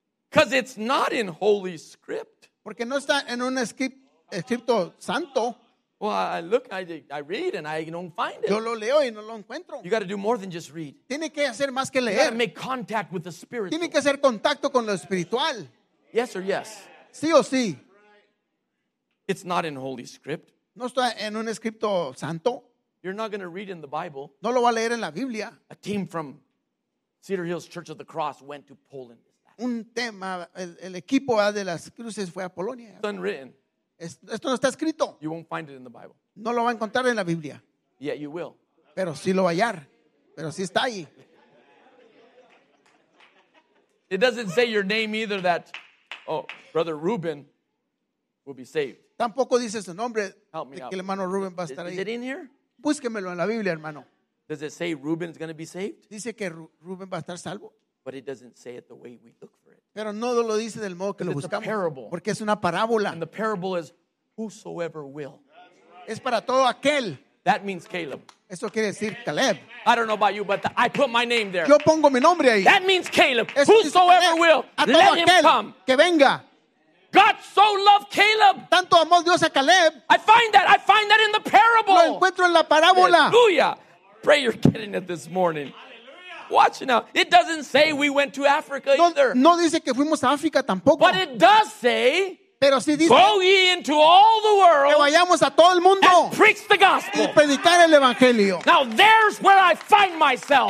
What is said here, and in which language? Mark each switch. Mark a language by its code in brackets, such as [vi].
[en] Because it's not in Holy Script. [es] Porque no está en un escrito santo. [en] Well, I look, I read, and I don't find it. [es] Yo lo leo y no lo encuentro. [en] You got to do more than just read. [es] Tiene que hacer más que leer. [en] You got to make contact with the spirit. [es] Tiene que hacer contacto con lo espiritual. [en] Yes or yes. [es] Sí o sí. [en] It's not in Holy Script. [es] No está en un escrito santo. [en] You're not going to read in the Bible. [es] No lo va a leer en la Biblia. [en] A team from Cedar Hills Church of the Cross went to Poland. [es] Un tema, el equipo de las Cruces fue a Polonia. [en] It's unwritten. [es] Esto no está escrito. [en] You won't find it in the Bible. [es] No lo va a encontrar en la Biblia. [en] Yet you will. [es] Pero sí lo va a hallar. Pero sí está ahí. [en] It doesn't say your name either that, oh, Brother Reuben will be saved. [es] Tampoco dice su nombre. [en] Help me [es] de que el hermano Reuben va a estar [en] is [es] ahí. [en] Is it in here? [es] Búsquemelo en la Biblia, hermano. [en] Does it say Reuben's going to be saved? [es] Dice que Reuben va a estar salvo. [en] But it doesn't say it the way we look for it. [es] Pero no lo dice del modo que lo buscamos. Porque es una parábola. [en] And the parable is whosoever will. [es] Es para todo aquel. [en] That means Caleb. [es] Eso quiere decir Caleb. [en] I don't know about you, but I put my name there. [es] Yo pongo mi nombre ahí. [en] That means Caleb. Whosoever will, let him come. [es] Que venga. [en] God so loved Caleb. [es] Tanto amó Dios a Caleb. [en] I find that in the parable. [es] Lo encuentro en la parábola. [en] Hallelujah. Pray you're getting it this morning. Watch now. It doesn't say we went to Africa either. [es] No dice que fuimos a África tampoco. [en] But it does say, [es] pero sí dice, [en] go ye into all the world [es] que vayamos a todo el mundo [en] and preach the gospel. [es] Y predicar el evangelio. [en] Now there's where I find myself.